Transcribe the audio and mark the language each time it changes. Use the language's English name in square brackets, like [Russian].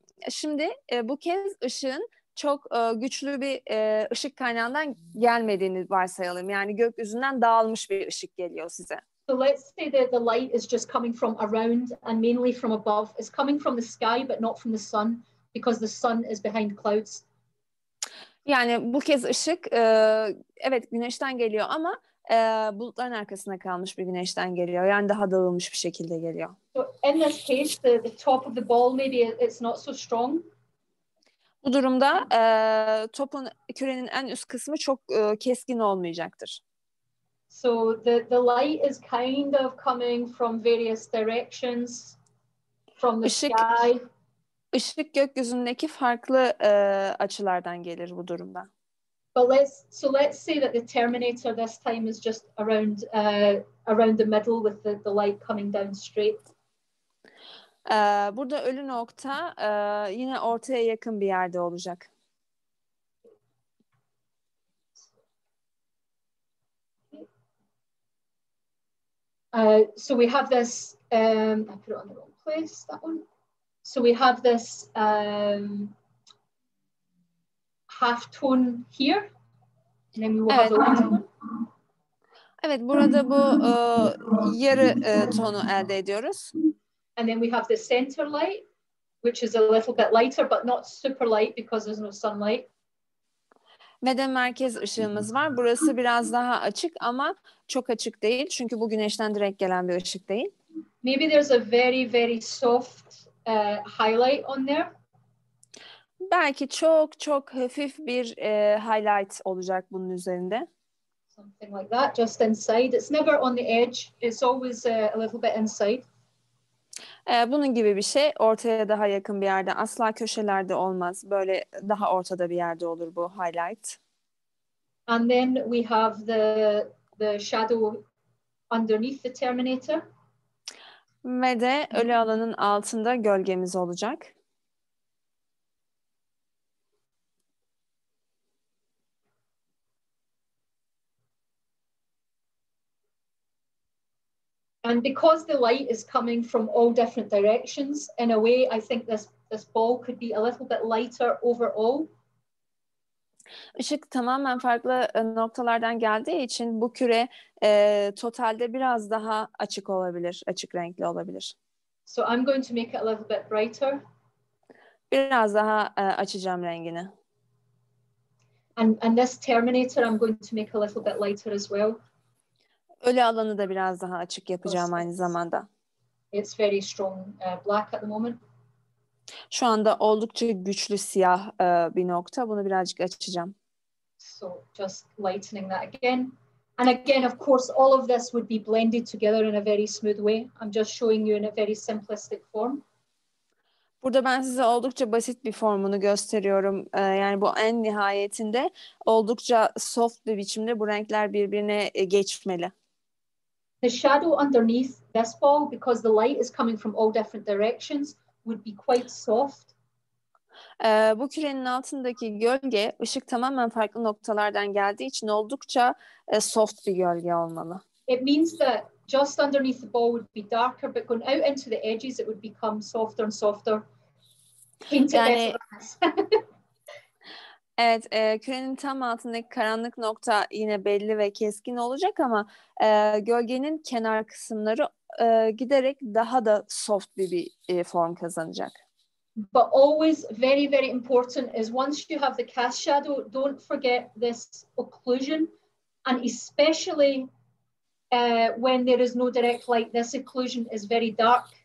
[Turkish] Şimdi bu kez ışığın çok güçlü bir ışık kaynağından gelmediğini varsayalım. Yani gökyüzünden dağılmış bir ışık geliyor size. [English] So let's say that the light is just coming from around and mainly from above. It's coming from the sky but not from the sun because the sun is behind clouds. [Turkish] Yani bu kez ışık evet güneşten geliyor ama bulutların arkasında kalmış bir güneşten geliyor. Yani daha dağılmış bir şekilde geliyor. [English] So in this case the top of the ball maybe it's not so strong. [Turkish] Bu durumda topun, kürenin en üst kısmı çok keskin olmayacaktır. [English] So the light is kind of coming from various directions from the sky. [Turkish] Işık gökyüzündeki farklı açılardan gelir bu durumda. [English] But let's say that the terminator this time is just around the middle with the light coming down straight. [Turkish] Burada ölü nokta yine ortaya yakın bir yerde olacak. [English] Okay. So we have this, I put it on the wrong place, that one. So we have this half tone here, and then we will have a one tone. [Turkish] Evet, burada bu yarı tonu elde ediyoruz. [English] And then we have the center light, which is a little bit lighter, but not super light because there's no sunlight. [Turkish] Ve de merkez ışığımız var. Burası biraz daha açık ama çok açık değil. Çünkü bu güneşten direkt gelen bir ışık değil. [English] Maybe there's a very, very soft highlight on there. [Turkish] Belki çok çok hafif bir highlight olacak bunun üzerinde. [English] Something like that, just inside. It's never on the edge. It's always a little bit inside. [Turkish] Bunun gibi bir şey ortaya daha yakın bir yerde, asla köşelerde olmaz. Böyle daha ortada bir yerde olur bu highlight. [English] And then we have the shadow underneath the Terminator. [Turkish] Ve de ölü alanın altında gölgemiz olacak. [English] And because the light is coming from all different directions, in a way, I think this ball could be a little bit lighter overall. [Turkish] Işık tamamen farklı noktalardan geldiği için bu küre totalde biraz daha açık olabilir, açık renkli olabilir. [English] So I'm going to make it a little bit brighter. [Turkish] Biraz daha açacağım rengini. [English] And this Terminator, I'm going to make a little bit lighter as well. [Turkish] Ölü alanı da biraz daha açık yapacağım aynı zamanda. [English] It's very strong black at the moment. [Turkish] Şu anda oldukça güçlü siyah bir nokta. Bunu birazcık açacağım. [English] So just lightening that again. And again, of course, all of this would be blended together in a very smooth way. I'm just showing you in a very simplistic form. [Turkish] Burada ben size oldukça basit bir formunu gösteriyorum. Yani bu en nihayetinde oldukça soft bir biçimde bu renkler birbirine geçmeli. [English] The shadow underneath this ball, because the light is coming from all different directions, would be quite soft. [Turkish] Bu kürenin altındaki gölge, ışık tamamen farklı noktalardan geldiği için oldukça soft bir gölge olmalı. [English] It means that just underneath the ball would be darker, but going out into the edges it would become softer and softer. [Turkish] Evet, kürenin tam altındaki karanlık nokta yine belli ve keskin olacak ama gölgenin kenar kısımları giderek daha da soft bir form kazanacak. [English] But always very, very important is once you have the cast shadow, don't forget this occlusion. And especially when there is no direct light, this occlusion is very dark.